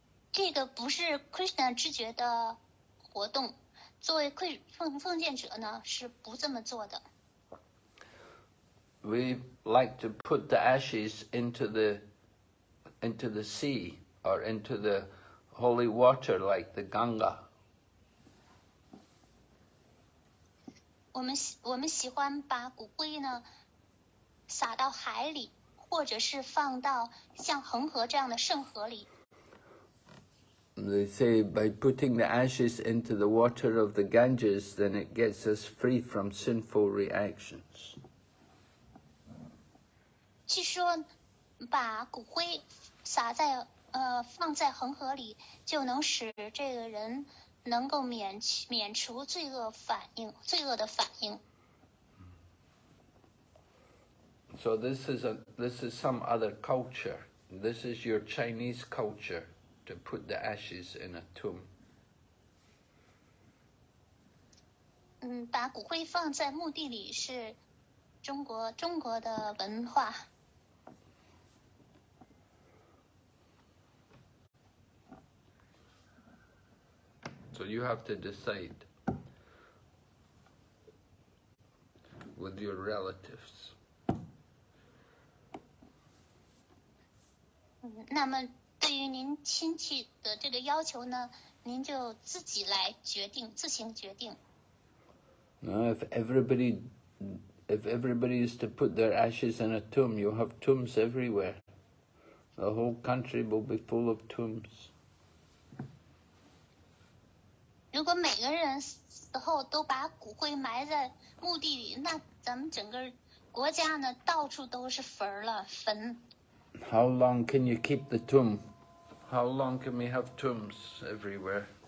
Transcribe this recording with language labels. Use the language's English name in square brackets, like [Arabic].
[Chinese] 这个不是 Krishna 知觉的活动，作为奉献者呢，是不这么做的。 [English] We like to put the ashes into the into the sea or into the holy water like the Ganga. [Chinese] 我们喜欢把骨灰呢撒到海里，或者是放到像恒河这样的圣河里。 [English] They say by putting the ashes into the water of the Ganges, then it gets us free from sinful reactions. [Chinese] 据说把骨灰撒在放在恒河里，就能使这个人能够免除罪恶反应，罪恶的反应。 [English] So this is some other culture. This is your Chinese culture. To put the ashes in a tomb. [Chinese] 把骨灰放在墓地里是中国的文化。 [English] So you have to decide with your relatives. [Chinese] 那么对于您亲戚的这个要求呢，您就自己来决定，自行决定。 [English] Now, if everybody is to put their ashes in a tomb, you have tombs everywhere. The whole country will be full of tombs. [Chinese] 如果每个人死后都把骨灰埋在墓地里，那咱们整个国家呢，到处都是坟了，坟。 [English] How long can you keep the tomb? How long can we have tombs everywhere?